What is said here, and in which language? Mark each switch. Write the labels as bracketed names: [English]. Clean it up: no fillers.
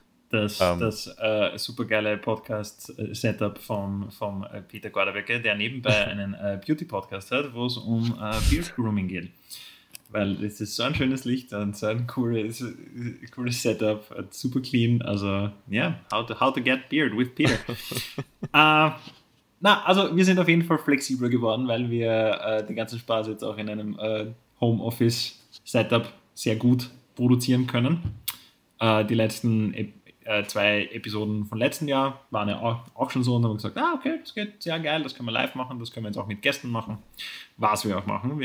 [German] Das supergeile Podcast-Setup vom Peter Gordebecke, der nebenbei einen Beauty-Podcast hat, wo es um Beard Grooming geht. Weil es ist so ein schönes Licht und so ein cooles Setup, super clean. [English] Also, yeah, how to get beard with Peter. [German] also wir sind auf jeden Fall flexibler geworden, weil wir den ganzen Spaß jetzt auch in einem Homeoffice-Setup sehr gut produzieren können. Die letzten zwei Episoden von letzten Jahr waren ja auch schon so und haben gesagt, okay, das geht sehr geil, das können wir live machen, das können wir jetzt auch mit Gästen machen, was wir auch machen.